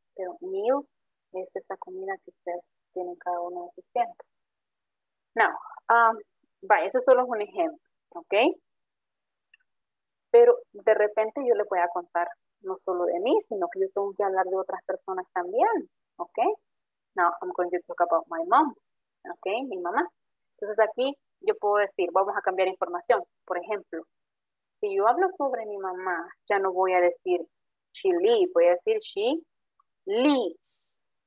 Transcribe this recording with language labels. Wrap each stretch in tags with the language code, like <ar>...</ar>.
<es>Pero meal es esa comida que usted tiene cada uno de sus tiempos. Now, vaya, eso solo es un ejemplo, ¿ok? Pero de repente yo le voy a contar no solo de mí, sino que yo tengo que hablar de otras personas también, ¿ok?</es> <en>Now, I'm going to talk about my mom, ¿ok?</en> <es>Mi mamá. Entonces aquí yo puedo decir, vamos a cambiar información. Por ejemplo, si yo hablo sobre mi mamá, ya no voy a decir</es> <en>she lives,</en> <es>voy a decir she lives.</es>